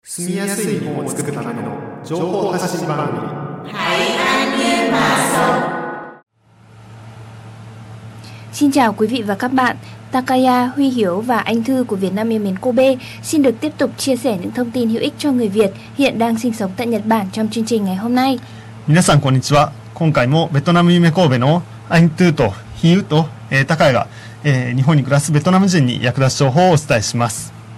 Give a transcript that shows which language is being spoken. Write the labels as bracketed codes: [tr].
[ja] 住みやすい日本を作るための情報発信番組台湾ニュマソ。 [vi] Xin chào quý vị và các bạn, Takaya, Huy Hiếu và Anh Thư của Việt Nam yêu mến Kobe xin được tiếp tục chia sẻ những thông tin hữu ích cho người Việt hiện đang sinh sống tại Nhật Bản trong chương trình ngày hôm nay. [ja] 皆さんこんにちは。今回もベトナム夢神戸のアイントゥーとヒユーと、タカヤが、日本に暮らすベトナム人に役立つ情報をお伝えします。